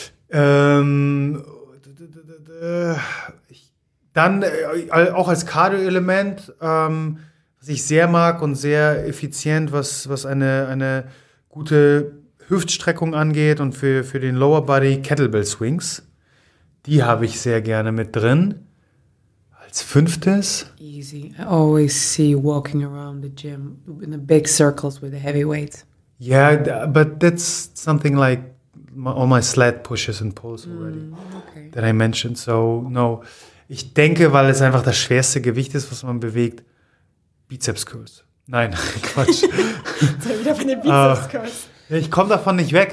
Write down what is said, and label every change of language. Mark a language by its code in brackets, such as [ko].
[de] Dann auch als Cardio-Element, was ich sehr mag und sehr effizient, was eine gute Hüftstreckung angeht und für den Lower Body, Kettlebell Swings. Die habe ich sehr gerne mit drin. Als fünftes. [en] Easy. I always see you walking around the gym in the big circles with the heavy weights. Yeah, but that's something like all my sled pushes and pulls already that I mentioned. So, no. [de] Ich denke, weil es einfach das schwerste Gewicht ist, was man bewegt, Bizeps Curls. Nein, Quatsch. Wieder von den Bizeps Curls. Ich komme davon nicht weg.